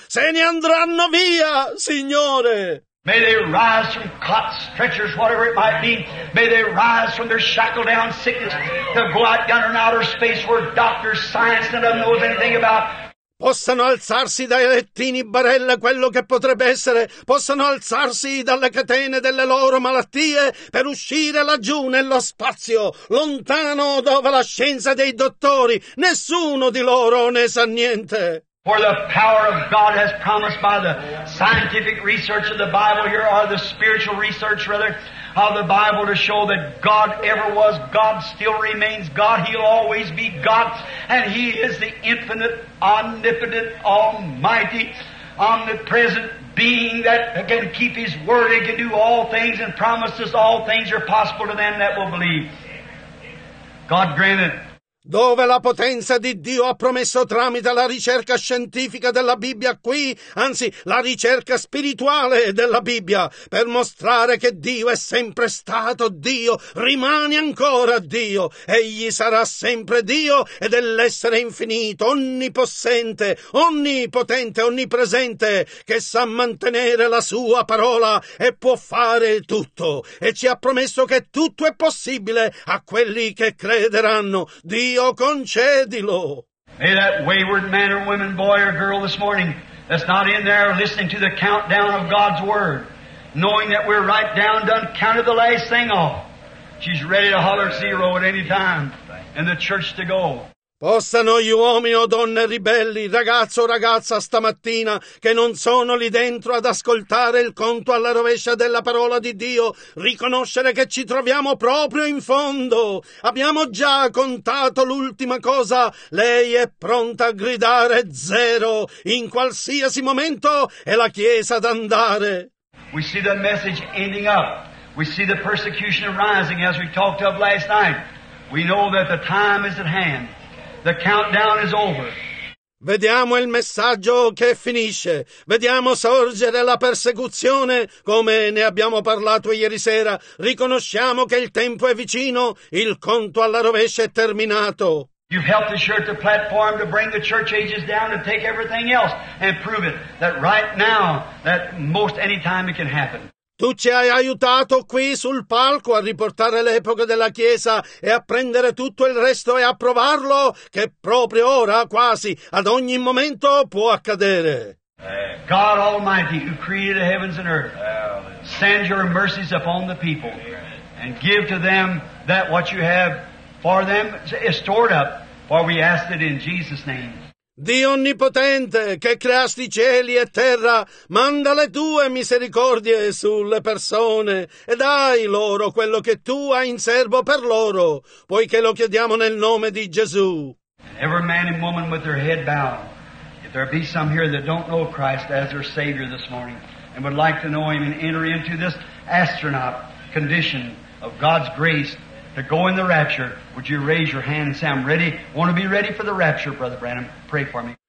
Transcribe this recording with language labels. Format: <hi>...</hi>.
<it>Se ne andranno via, Signore.</it> <en>May they rise from cots, stretchers, whatever it might be. May they rise from their shackled down sickness to go out yonder in outer space where doctors, science, none of them knows anything about.</en> <it>Possano alzarsi dai lettini barella quello che potrebbe essere, possano alzarsi dalle catene delle loro malattie per uscire laggiù nello spazio, lontano dove la scienza dei dottori, nessuno di loro ne sa niente.</it> <en>For the power of God has promised by the scientific research of the Bible here, or the spiritual research rather, of the Bible, to show that God ever was, God still remains God, He'll always be God, and He is the infinite, omnipotent, almighty, omnipresent being that can keep His word and can do all things and promises all things are possible to them that will believe. God grant it.</en> <it>Dove la potenza di Dio ha promesso tramite la ricerca scientifica della Bibbia qui, anzi la ricerca spirituale della Bibbia, per mostrare che Dio è sempre stato Dio, rimane ancora Dio, Egli sarà sempre Dio, ed è l'essere infinito, onnipossente, onnipotente, onnipresente, che sa mantenere la sua parola e può fare tutto, e ci ha promesso che tutto è possibile a quelli che crederanno. Dio, concedilo.</it> <en>May that wayward man or woman, boy or girl this morning that's not in there listening to the countdown of God's Word, knowing that we're right down done counted the last thing off, she's ready to holler zero at any time and the church to go.</en> <it>Possano gli uomini o donne ribelli, ragazzo o ragazza stamattina, che non sono lì dentro ad ascoltare il conto alla rovescia della parola di Dio, riconoscere che ci troviamo proprio in fondo. Abbiamo già contato l'ultima cosa. Lei è pronta a gridare zero in qualsiasi momento e la Chiesa ad andare.</it> <en>We see the message ending up. We see the persecution rising as we talked of last night. We know that the time is at hand. The countdown is over.</en> <it>Vediamo il messaggio che finisce. Vediamo sorgere la persecuzione, come ne abbiamo parlato ieri sera. Riconosciamo che il tempo è vicino, il conto alla rovescia è terminato.</it> <en>You've helped assure the platform to bring the church ages down and take everything else and prove it that right now, that most any time it can happen.</en> <it>Tu ci hai aiutato qui sul palco a riportare l'epoca della Chiesa e a prendere tutto il resto e a provarlo che proprio ora, quasi, ad ogni momento può accadere.</it> <en>God Almighty, who created the heavens and earth, send your mercies upon the people and give to them that what you have for them is stored up, for we ask it in Jesus' name.</en> <it>Dio onnipotente, che creasti cieli e terra, manda le tue misericordie sulle persone e dai loro quello che tu hai in serbo per loro, poiché lo chiediamo nel nome di Gesù.</it> <en>Every man and woman with their head bowed, if there be some here that don't know Christ as their Savior this morning and would like to know Him and enter into this astronaut condition of God's grace to go in the rapture, would you raise your hand and say, I'm ready, want to be ready for the rapture, Brother Branham, pray for me.</en>